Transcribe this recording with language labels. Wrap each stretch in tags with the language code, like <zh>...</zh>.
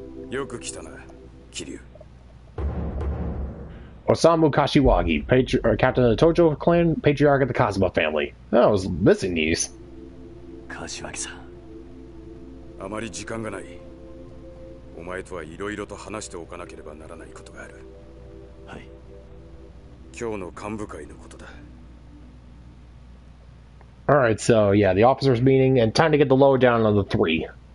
<ja>よく来たな, Kiryu.</ja> <en>Osamu Kashiwagi, captain of the Tojo clan, patriarch of the Kazuma family. Oh, I was missing these.</en> <ja>Kashiwagi-san, あまり時間がない。お前とはいろいろと話しておかなければならないことがある。はい。今日の幹部会のことだ。</ja> <en>All right, so yeah, the officers' meeting, and time to get the lowdown on the three.</en>